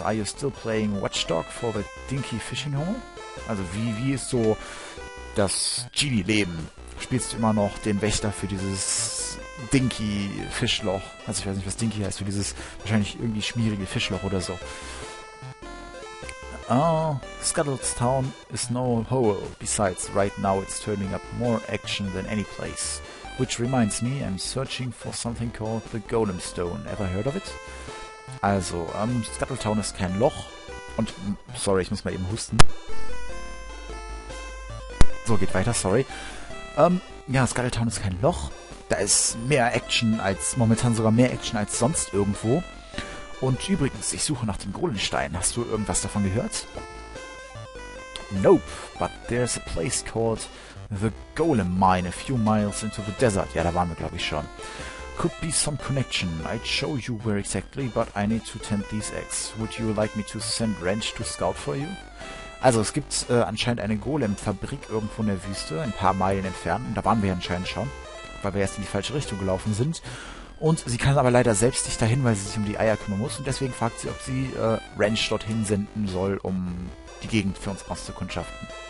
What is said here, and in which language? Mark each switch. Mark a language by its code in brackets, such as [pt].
[en] Are you still playing Watchdog for the Dinky Fishing Hole? [de] Also, wie ist so das Genie-Leben? Spielst du immer noch den Wächter für dieses Dinky-Fischloch? Also, ich weiß nicht, was Dinky heißt, für dieses wahrscheinlich irgendwie schmierige Fischloch oder so. [en] Scuttlestown is no hole. Besides, right now it's turning up more action than any place. Which reminds me, I'm searching for something called the Golem Stone. Ever heard of it? [de] Also, Scuttletown ist kein Loch. Und, sorry, ich muss mal eben husten. So, geht weiter, sorry. Scuttletown ist kein Loch. Da ist mehr Action als, momentan sogar mehr Action als sonst irgendwo. Und übrigens, ich suche nach dem Golemstein. Hast du irgendwas davon gehört? [en] Nope, but there's a place called the Golem Mine a few miles into the desert. [de] Ja, da waren wir, glaube ich, schon. [en] Could be some connection. I'd show you where exactly, but I need to tend these eggs. Would you like me to send Wrench to scout for you? [de] Also, es gibt anscheinend eine Golem-Fabrik irgendwo in der Wüste, ein paar Meilen entfernt. Und da waren wir anscheinend schon, weil wir erst in die falsche Richtung gelaufen sind. Und sie kann aber leider selbst nicht dahin, weil sie sich um die Eier kümmern muss. Und deswegen fragt sie, ob sie Wrench dorthin senden soll, um die Gegend für uns auszukundschaften.